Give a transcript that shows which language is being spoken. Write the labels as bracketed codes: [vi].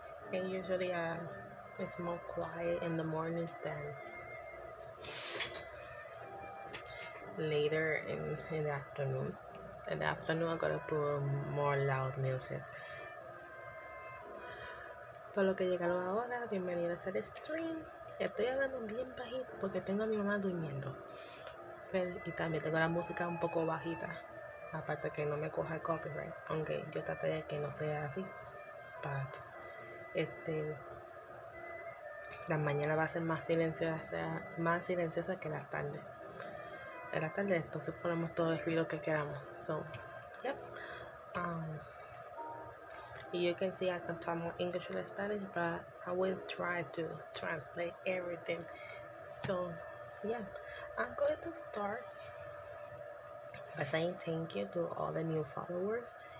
[en] And usually it's more quiet in the mornings than later in the afternoon. In the afternoon, I'm gonna put more loud music. [es] Todo lo que llegaron ahora, bienvenidos al stream. Estoy hablando bien bajito porque tengo a mi mamá durmiendo. Pero, y también tengo la música un poco bajita. Aparte que no me coja el copyright. Aunque yo traté de que no sea así. But, la mañana va a ser más silenciosa, que la tarde. En la tarde, entonces ponemos todo el ruido que queramos. [en] So, yep. You can see I can talk more English than Spanish, but I will try to translate everything. So, yeah, I'm going to start by saying thank you to all the new followers.